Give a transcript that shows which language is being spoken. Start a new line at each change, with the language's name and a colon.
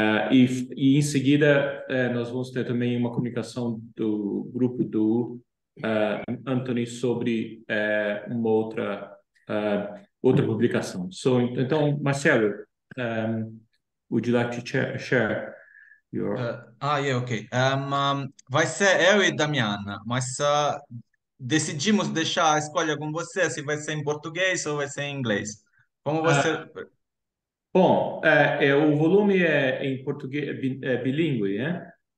Portuguese: E em seguida, nós vamos ter também uma comunicação do grupo do Anthony sobre uma outra outra publicação.
English: So, então, Marcelo, would you like to share your...
Portuguese: Vai ser eu e Damiana, mas decidimos deixar a escolha com você, se vai ser em português ou vai ser em inglês. Como você... O volume é em português, é bilíngue, né?